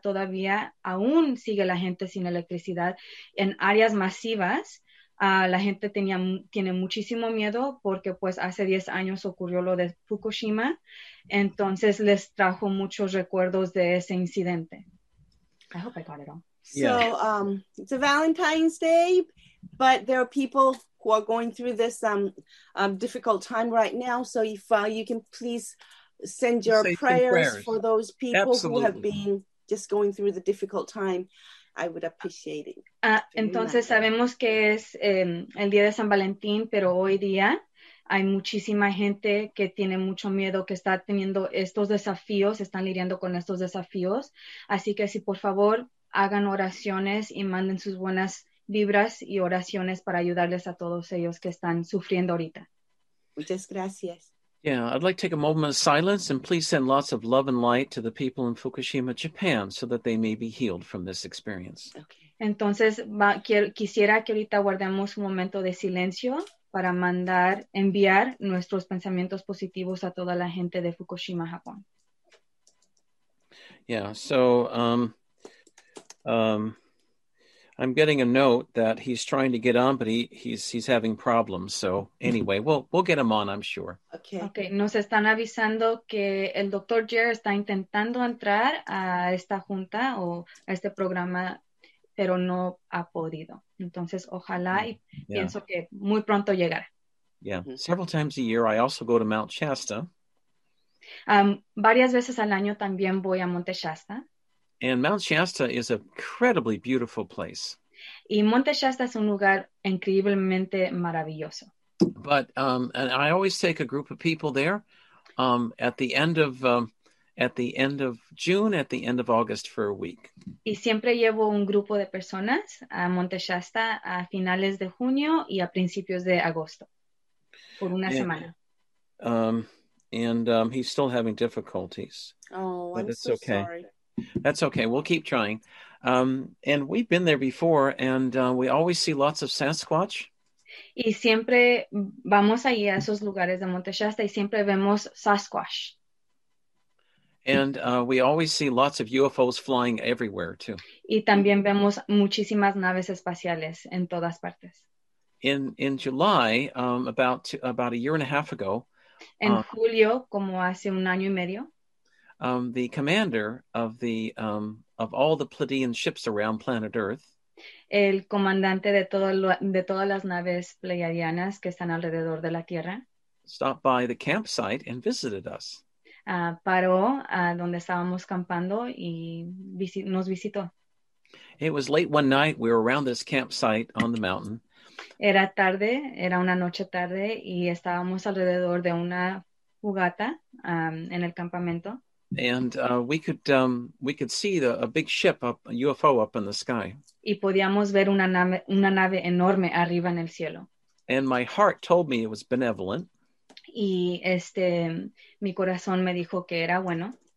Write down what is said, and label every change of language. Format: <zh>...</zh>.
<es>Todavía aún sigue la gente sin electricidad en áreas masivas. La gente tiene muchísimo miedo porque pues hace 10 años ocurrió lo de Fukushima. Entonces les trajo muchos recuerdos de ese incidente.</es> <en>I hope I got it all. Yeah. So it's a Valentine's Day, but there are people who are going through this difficult time right now. So if you can please send your prayers for those people. Absolutely. Who have been just going through the difficult time. I would appreciate it.</en> <es>Entonces sabemos que es el día de San Valentín, pero hoy día hay muchísima gente que tiene mucho miedo, que está teniendo estos desafíos, están lidiando con estos desafíos. Así que si por favor hagan oraciones y manden sus buenas vibras y oraciones para ayudarles a todos ellos que están sufriendo ahorita. Muchas gracias.</es> <en>Yeah, I'd like to take a moment of silence and please send lots of love and light to the people in Fukushima, Japan, so that they may be healed from this experience. Okay.</en> <es>Entonces, quisiera que ahorita guardemos un momento de silencio para enviar nuestros pensamientos positivos a toda la gente de Fukushima, Japón.</es> <en>Yeah, so I'm getting a note that he's trying to get on, but he's having problems. So anyway, we'll get him on, I'm sure. Okay.</en> <es>Nos están avisando que el Dr. Gier está intentando entrar a esta junta o a este programa, pero no ha podido. Entonces, ojalá y pienso que muy pronto llegará.</es> <en>Yeah. Mm-hmm. Several times a year, I also go to Mount Shasta.</en> <es>Varias veces al año también voy a Monte Shasta.</es> <en>And Mount Shasta is an incredibly beautiful place.</en> <es>Y Monte Shasta es un lugar increíblemente maravilloso.</es> <en>But and I always take a group of people there at the end of June, at the end of August for a week.</en> <es>Y siempre llevo un grupo de personas a Monte Shasta a finales de junio y a principios de agosto por una semana.</es> <en>And he's still having difficulties. Oh, but I'm so okay. Sorry. That's okay. We'll keep trying. And we've been there before, and we always see lots of Sasquatch.</en> <es>Y siempre vamos allí a esos lugares de Monte Shasta y siempre vemos Sasquatch.</es> <en>And we always see lots of UFOs flying everywhere, too.</en> <es>Y también vemos muchísimas naves espaciales en todas partes.</es> <en>In July, about a year and a half ago.</en> <es>En julio, como hace un año y medio.</es> <en>The commander of the of all the Pleiadian ships around planet Earth.</en> <es>El comandante de todas las naves pleiadianas que están alrededor de la Tierra.</es> <en>Stopped by the campsite and visited us.</en> <es>Paró donde estábamos campando y nos visitó.</es> <en>It was late one night. We were around this campsite on the mountain.</en> <es>Era tarde. Era una noche tarde y estábamos alrededor de una fogata en el campamento.</es> <en>And we could see a big ship up a UFO up in the sky.</en> <es>Y podíamos ver una nave enorme arriba en el cielo.</es> <en>And my heart told me it was benevolent.</en> <es>Y mi corazón me dijo que era bueno.</es>